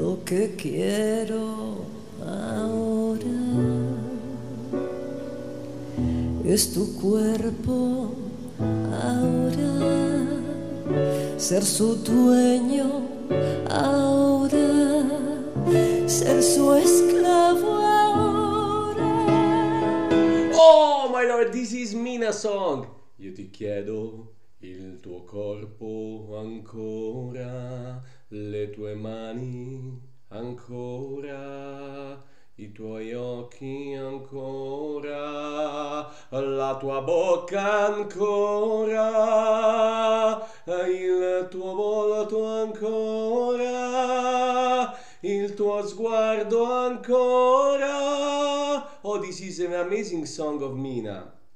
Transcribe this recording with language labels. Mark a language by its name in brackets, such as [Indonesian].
[Spanish] Que quiero ahora es tu cuerpo ahora, ser su dueño ahora, ser su esclavo ahora. [English] Oh my lord, this is Mina song. [Italian] Io ti chiedo il tuo corpo ancora, le tue mani ancora, i tuoi occhi ancora, la tua bocca ancora, il tuo volto ancora, il tuo sguardo ancora. [English] Oh, this is an amazing song of Mina.